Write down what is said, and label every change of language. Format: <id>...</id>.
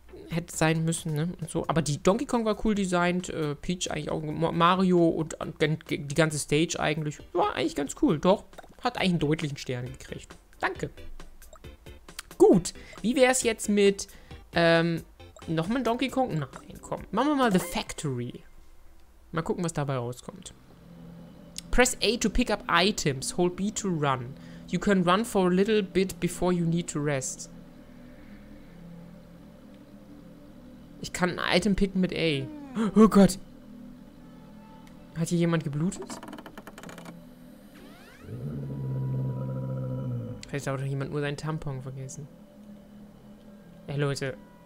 <de>Hätte sein müssen, ne, und so. Aber die Donkey Kong war cool designt, Peach eigentlich auch, Mario und die ganze Stage eigentlich, war eigentlich ganz cool. Doch, hat eigentlich einen deutlichen Stern gekriegt. Danke. Gut, wie wäre es jetzt mit, nochmal Donkey Kong? Nein, komm, machen wir mal The Factory. Mal gucken, was dabei rauskommt.</de> <en>Press A to pick up items, hold B to run. You can run for a little bit before you need to rest.</en> <de>Ich kann ein Item picken mit A. Oh Gott. Hat hier jemand geblutet? Vielleicht hat doch jemand nur seinen Tampon vergessen. Ja, Leute.</de>